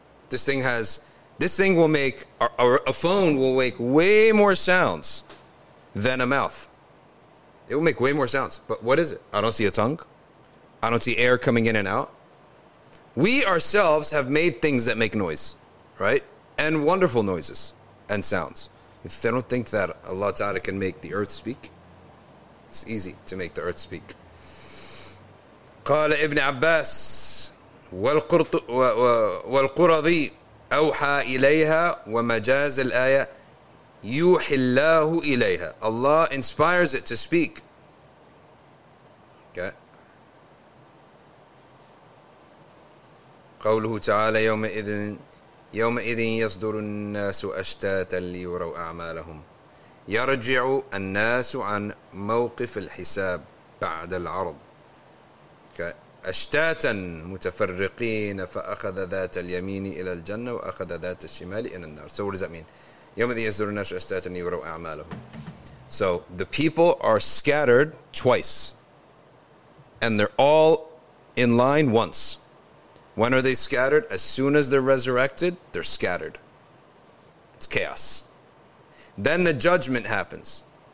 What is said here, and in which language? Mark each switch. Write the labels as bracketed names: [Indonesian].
[English] This thing will make a phone will make way more sounds than a mouth. It will make way more sounds. But what is it? I don't see a tongue. I don't see air coming in and out. We ourselves have made things that make noise, right? And wonderful noises and sounds. If they don't think that Allah Ta'ala can make the earth speak, it's easy to make the earth speak. [Arabic] قال ابن عباس والقرضي أوحى إليها ومجاز الآية يوحي الله إليها. [English] Allah inspires it to speak. [Arabic] قوله تعالى يومئذ يصدر الناس أشتاتا ليروا أعمالهم يرجع الناس عن موقف الحساب بعد العرض أشتاتا متفرقين فأخذ ذات اليمين إلى الجنة وأخذ ذات الشمال إلى النار. [English] So what does that mean? [Arabic] يومئذ يصدر الناس أشتاتا ليروا أعمالهم. [English] So the people are scattered twice and they're all in line once. When are they scattered? As soon as they're resurrected, they're scattered. It's chaos. Then the judgment happens.